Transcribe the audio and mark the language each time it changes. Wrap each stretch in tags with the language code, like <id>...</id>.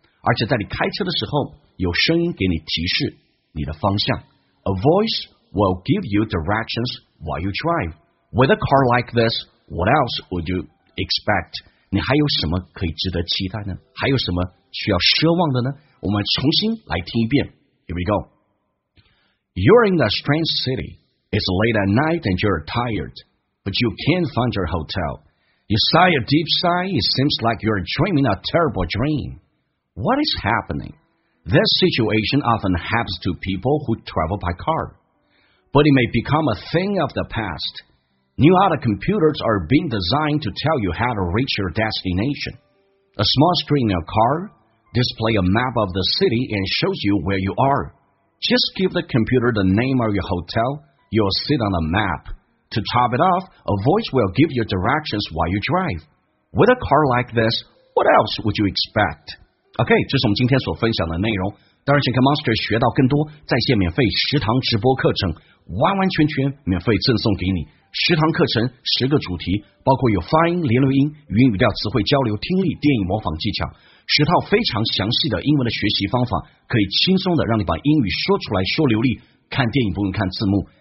<zh>而且在你开车的时候有声音给你提示你的方向。</zh> <en>A voice will give you directions while you drive. With a car like this, what else would you expect?</en> <zh>你还有什么可以值得期待呢？还有什么需要奢望的呢？我们重新来听一遍。</zh> <en>Here we go. You're in a strange city. It's late at night and you're tired, but you can't find your hotel. You sigh a deep sigh, it seems like you're dreaming a terrible dream. What is happening? This situation often happens to people who travel by car. But it may become a thing of the past. New auto computers are being designed to tell you how to reach your destination. A small screen in your car displays a map of the city and shows you where you are. Just give the computer the name of your hotel, you'll sit on a map. To top it off, a voice will give you directions while you drive. With a car like this, what else would you expect?</en> <zh>OK, 这是我们今天所分享的内容。当然，请看 Monster 学到更多在线免费十堂直播课程，完完全全免费赠送给你。十堂课程，十个主题，包括有发音、连读音、语音语调、词汇交流、听力、电影模仿技巧。十套非常详细的英文的学习方法，可以轻松的让你把英语说出来说流利，看电影不用看字幕。</zh>